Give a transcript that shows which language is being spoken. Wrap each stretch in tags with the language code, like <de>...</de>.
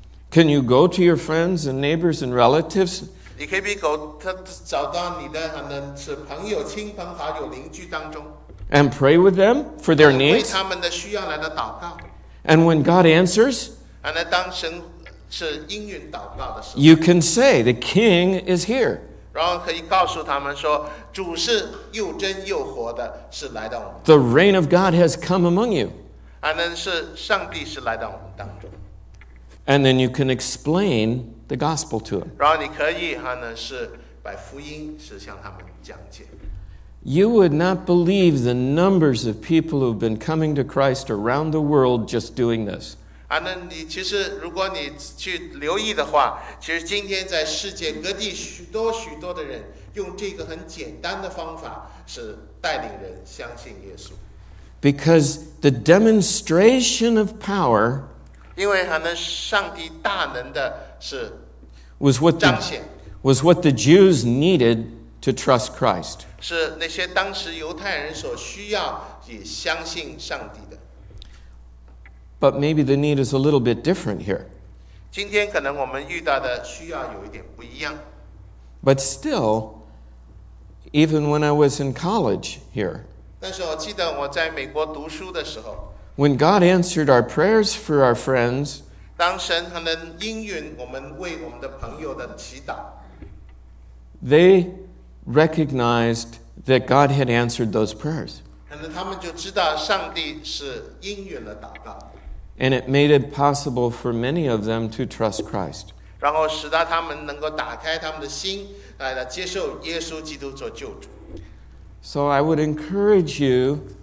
<en>Can you go to your friends and neighbors and relatives?</en> <zh>你可以找到你的朋友、亲朋好友、邻居当中。</zh> <en>And pray with them for their needs.</en> <zh>为他们的需要来的祷告。</zh> <en>And when God answers, and</en> <zh>当神是应允祷告的时候,</zh> <en>you can say, the king is here.</en> <zh>然后可以告诉他们说, 主是又真又活的, 是来到我们当中。</zh> <en>The reign of God has come among you. And then</en> <zh>是上帝是来到我们当中。</zh> <en>And then you can explain the gospel to them.</en> <zh>然后你可以是把福音是向他们讲解。</zh> <en>You would not believe the numbers of people who've been coming to Christ around the world just doing this.</en> <zh>那你其实如果你去留意的话，其实今天在世界各地许多许多的人用这个很简单的方法是带领人相信耶稣。</zh> <en>Because the demonstration of power,</en> <zh>因为还能上帝大能的是彰显</zh> <en>was what the Jews needed to trust Christ.</en> <zh>是那些当时犹太人所需要也相信上帝的。</zh> <en>But maybe the need is a little bit different here.</en> <zh>今天可能我们遇到的需要有一点不一样。</zh> <en>But still, even when I was in college here,</en> <zh>但是我记得我在美国读书的时候，</zh> <en>when God answered our prayers for our friends,</en> <zh>当神能应允我们为我们的朋友的祈祷，</zh> <en>they recognized that God had answered those prayers.</en> <zh>可能他们就知道上帝是应允了祷告。</zh> <en>And it made it possible for many of them to trust Christ.</en> <zh>然后使得他们能够打开他们的心，来接受耶稣基督做救主。</zh> <en>So I would encourage you.</en>